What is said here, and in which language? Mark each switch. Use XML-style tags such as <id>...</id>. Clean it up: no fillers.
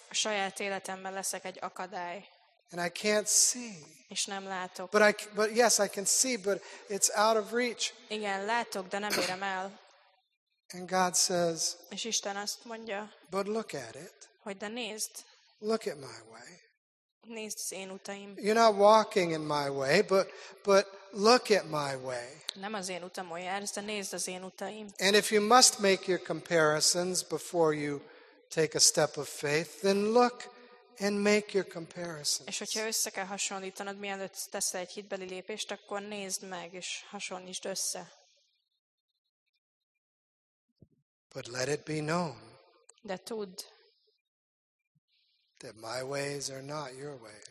<hu>A saját életemben leszek egy akadály.</hu> <en>And I can't see.</en> <hu>És nem látok.</hu> <en>But yes, I can see, but it's out of reach.</en> <hu>Igen, látok, de nem érem el.</hu> <en>And God says.</en> <hu>És Isten azt mondja.</hu> <en>But look at it.</en> <hu>Hogy de nézd.</hu> <en>Look at my way.</en> <hu>Nézd az én utaim.</hu> <en>You're not walking in my way, but look at my way.</en> <hu>Nem az én utamon jársz, de nézd az én utaim.</hu> <en>And if you must make your comparisons before you take a step of faith, then look and make your comparisons.</en> <hu>És hogyha össze kell hasonlítanod, mielőtt teszel egy hitbeli lépést, akkor nézd meg és hasonlítsd össze.</hu> <en>But let it be known.</en> <hu>De tudd.</hu> <en>That my ways are not your ways.</en>